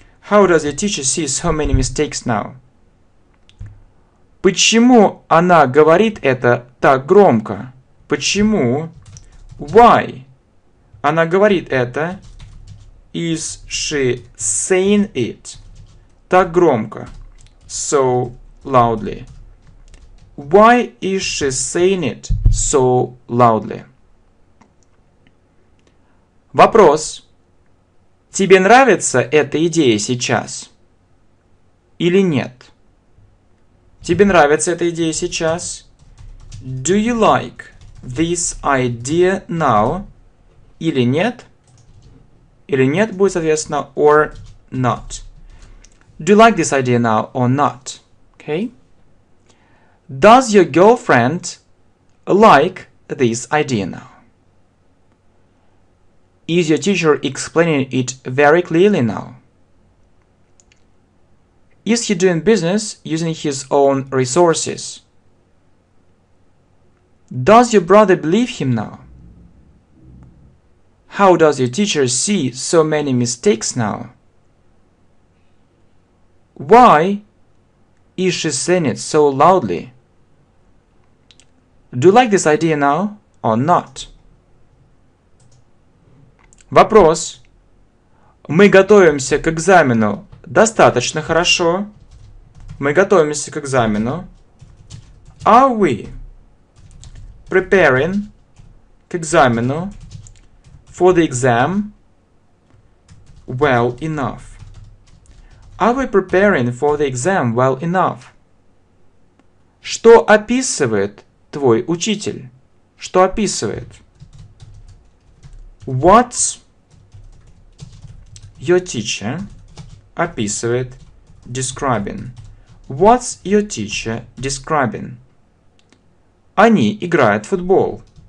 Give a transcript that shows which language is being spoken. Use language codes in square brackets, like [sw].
[en] How does your teacher see so many mistakes now? [ru] Почему она говорит это так громко? Почему? [en] Why? [ru] Она говорит это. [en] Is she saying it? [ru] Так громко. [en] So loudly. Why is she saying it so loudly? [ru] Вопрос. Тебе нравится эта идея сейчас? Или нет? Тебе нравится эта идея сейчас? [en] Do you like this idea now? [ru] Или нет? Или нет будет, соответственно, [en] or not. Do you like this idea now or not? Okay. Does your girlfriend like this idea now? Is your teacher explaining it very clearly now? Is he doing business using his own resources? Does your brother believe him now? How does your teacher see so many mistakes now? Why is she saying it so loudly? Do you like this idea now or not? [ru] Вопрос. Мы готовимся к экзамену достаточно хорошо. Мы готовимся к экзамену. [en] Are we preparing [ru] к экзамену [en] for the exam well enough? Are we preparing for the exam well enough? [ru] Что описывает твой учитель? Что описывает? [en] What your teacher [ru] описывает, [en] describing. What's your teacher describing? [ru] Они играют в футбол.